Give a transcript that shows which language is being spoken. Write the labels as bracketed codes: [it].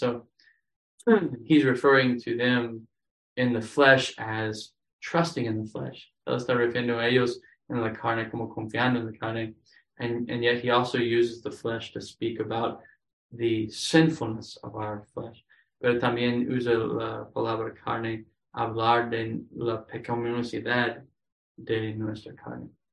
[en] So he's referring to them in the flesh as trusting in the flesh. [es] Él está refiriendo a ellos en la carne como confiando en la carne. [en] And yet he also uses the flesh to speak about the sinfulness of our flesh. [es] Pero también usa la palabra carne hablar de la pecaminosidad de nuestra carne.